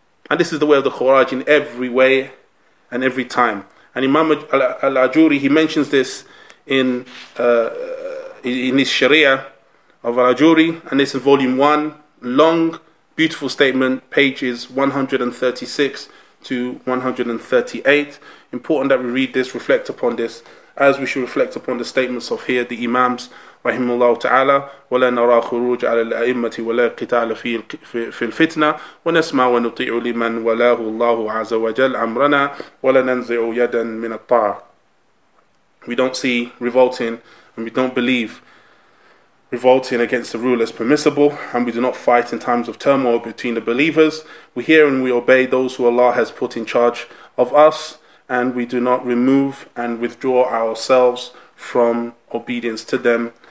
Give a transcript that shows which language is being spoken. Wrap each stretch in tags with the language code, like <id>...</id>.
<en>And this is the way of the Khawarij in every way and every time. And Imam Al-Ajuri, he mentions this in his Sharia of Al-Ajuri, and this is volume 1, long, beautiful statement, pages 136 to 138. Important that we read this, reflect upon this, as we should reflect upon the statements of here, the Imams,</en> <ar>رحمه الله تعالى ولا نرى خروج على الأئمة ولا قتال في الفتنة ونسمع ونطيع لمن ولاه الله عز وجل أمرنا ولا ننزع يدا من الطاعة.</ar> <en>We don't see revolting, and we don't believe revolting against the rulers permissible, and we do not fight in times of turmoil between the believers. We hear and we obey those who Allah has put in charge of us, and we do not remove and withdraw ourselves from obedience to them.</en>